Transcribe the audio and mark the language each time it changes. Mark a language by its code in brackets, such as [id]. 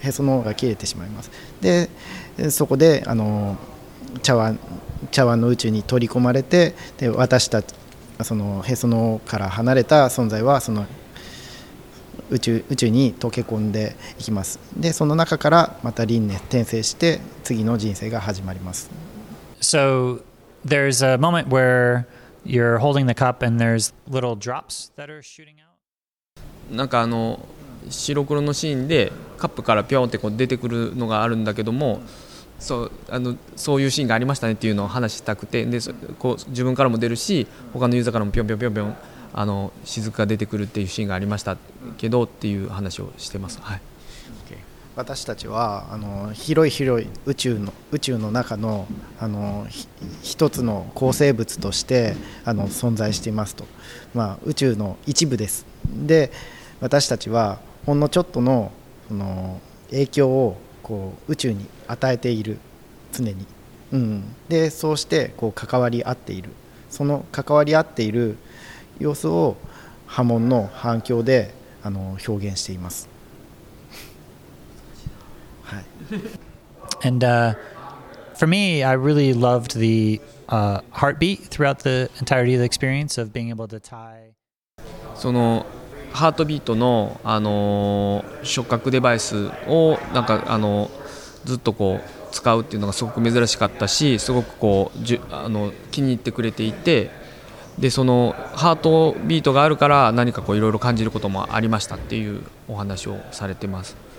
[ja] へその緒が切れてしまいます。でそこで、茶碗の宇宙に取り込まれて、で私たちそのへその緒から離れた存在はその宇宙に溶け込んでいきます。でその中からまた輪廻転生して次の人生が始まります。 [en] So there's a moment where you're holding the cup and there's little drops that are shooting out. [ja] なんかあの白黒のシーンでカップからピョンってこう出てくるのがあるんだけども、そう、あのそういうシーンがありましたねっていうのを話したくて、でこう自分からも出るし他のユーザーからもピョンピョンピョンピョン、あの雫が出てくるっていうシーンがありましたけどっていう話をしてます。はい、 okay. 私たちはあの広い宇宙の中の、 あの一つの構成物としてあの存在していますと、まあ、宇宙の一部です。で私たちはほんのちょっと その影響をこう宇宙に与えている常に、うん、でそうしてこう関わり合っている、その関わり合っている様子を波紋の反響で表現しています。はい。 [en] And for me, I really loved the heartbeat throughout the entirety of the experience of being able to tie. [ja] そのハートビートの触覚デバイスをなんかずっとこう使うっていうのがすごく珍しかったし、すごくこう気に入ってくれていて。でそのハートビートがあるから何かこういろいろ感じることもありましたっていうお話をされてます。